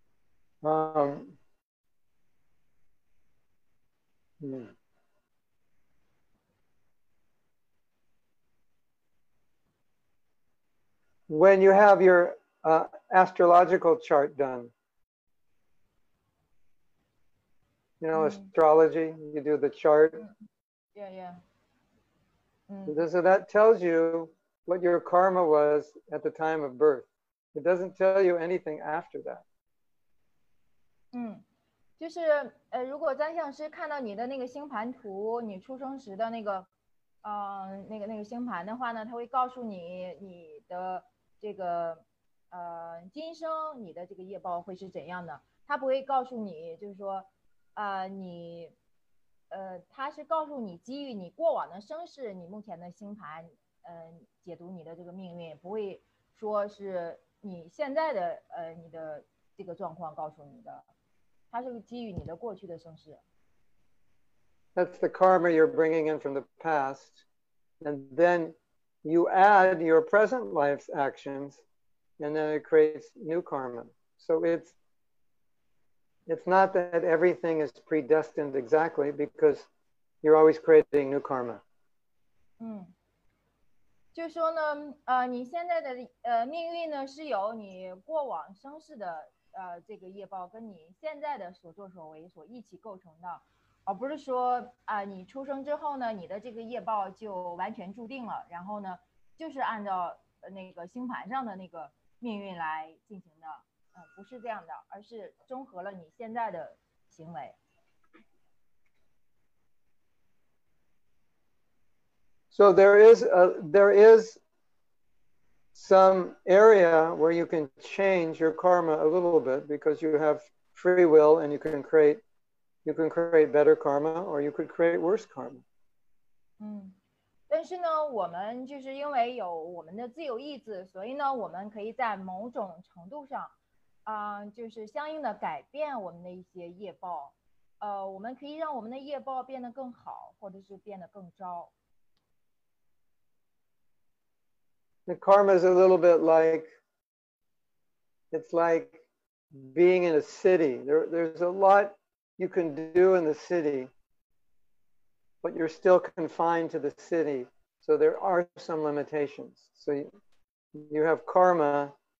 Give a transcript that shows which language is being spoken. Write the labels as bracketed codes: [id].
[en] When you have your astrological chart done, you know, astrology, you do the chart. Yeah. So that tells you what your karma was at the time of birth. It doesn't tell you anything after that. [zh] 就是如果占星师看到你的那个星盘图，你出生时的那个星盘的话呢，他会告诉你你的这个今生你的这个业报会是怎样的，他不会告诉你就是说你它是告诉你基于你过往的生世你目前的星盘解读你的这个命运，不会说是你现在的你的这个状况告诉你的，它是基于你的过去的生世。 [en] That's the karma you're bringing in from the past, and then you add your present life's actions, and then it creates new karma. So it's not that everything is predestined exactly, because you're always creating new karma. [zh] 嗯，就说呢，你现在的命运呢，是由你过往生世的这个业报跟你现在的所作所为所一起构成的，而不是说你出生之后呢，你的这个业报就完全注定了，然后呢，就是按照那个星盘上的那个命运来进行的。不是这样的，而是综合了你现在的行为。 [en] So there is some area where you can change your karma a little bit, because you have free will and you can create better karma, or you could create worse karma. [zh] 嗯，但是呢，我们就是因为有我们的自由意志，所以呢，我们可以在某种程度上。就是相应的改变我们的一些业报，我们可以让我们的业报变得更好，或者是变得更糟。 [en] The karma is a little bit like, it's like being in a city. There's a lot you can do in the city, but you're still confined to the city. So there are some limitations. So you have karma.